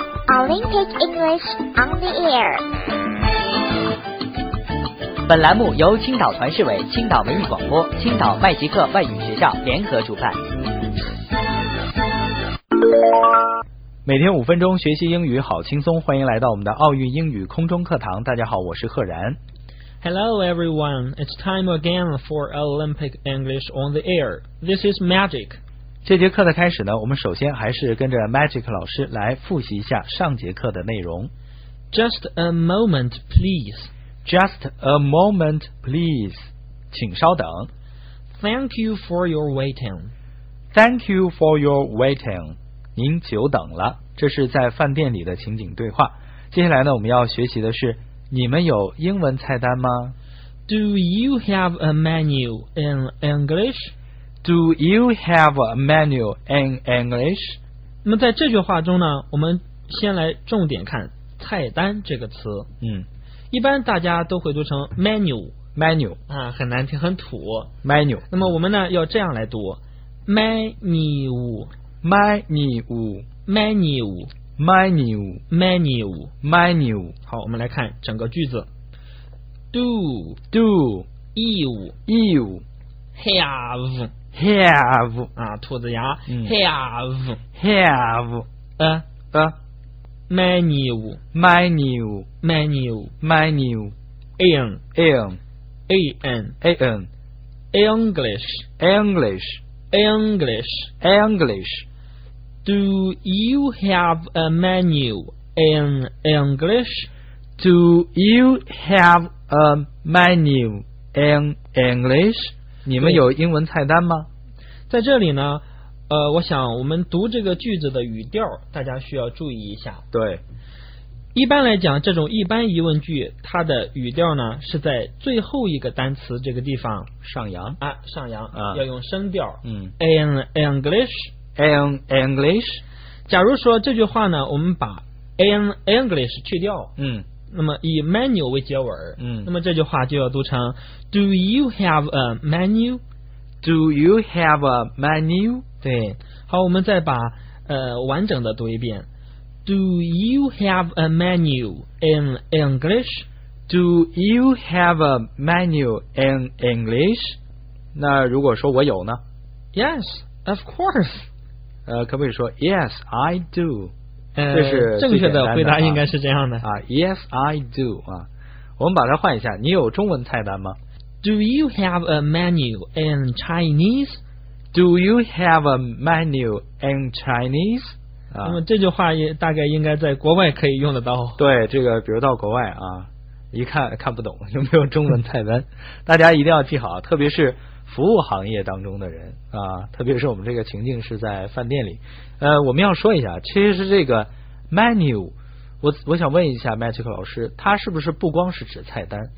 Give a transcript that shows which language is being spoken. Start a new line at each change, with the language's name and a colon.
English: Olympic English on the air。
Chinese: 本栏目由青岛团市委、青岛文艺广播、青岛麦吉克外语学校联合主办。每天五分钟学习英语好轻松，欢迎来到我们的奥运英语空中课堂。大家好，我是赫然。
English: Hello everyone, it's time again for Olympic English on the air. This is Magic.
Chinese: 这节课的开始呢，我们首先还是跟着 Magic 老师来复习一下上节课的内容。
English: Just a moment, please. Just a moment, please.
Chinese: 请稍等。
English: Thank you for your waiting. Thank you for your waiting.
Chinese: 您久等了。这是在饭店里的情景对话。接下来呢，我们要学习的是你们有英文菜单吗？
English: Do you have a menu in English? Do you have a menu in English?
Chinese: 那么在这句话中呢，我们先来重点看菜单这个词。嗯，一般大家都会读成 menu，
English: menu
Chinese: 啊，很难听，很土
English: menu。
Chinese: 那么我们呢要这样来读 menu，
English: menu， menu， menu menu menu。
Chinese: 好，我们来看整个句子。do
English: do you you have have
Chinese: 啊，兔子牙、嗯、have
English: have a menu menu menu menu in in an an English English English English Do you have a menu in English? Do you have a menu in English?
Chinese: 你们有英文菜单吗？在这里呢，我想我们读这个句子的语调，大家需要注意一下。对，一般来讲，这种一般疑问句，它的语调呢是在最后一个单词这个地方上扬啊，上扬啊，要用升调。嗯
English: ，in English。 In English，
Chinese: 假如说这句话呢，我们把 in English 去掉，嗯，那么以 menu 为结尾，嗯，那么这句话就要读成
English: Do you have a menu? Do you have a menu?
Chinese: 对，好，我们再把完整的读一遍
English: Do you have a menu in English? Do you have a menu in English?
Chinese: 那如果说我有呢？
English: Yes, of course.
Chinese: 可不可以说
English: Yes, I do。
Chinese: 这是正确的回答，应该是这样的啊。
English: Yes, I do。
Chinese: 啊，我们把它换一下。你有中文菜单吗
English: ？Do you have a menu in Chinese? Do you have a menu in Chinese? 啊，
Chinese: 那么这句话也大概应该在国外可以用得到。对，这个比如到国外啊，一看看不懂有没有中文菜单，大家一定要记好，特别是。服务行业当中的人啊，特别是我们这个情境是在饭店里，我们要说一下，其实是这个 menu， 我想问一下 Magic 老师，它是不是不光是指菜单？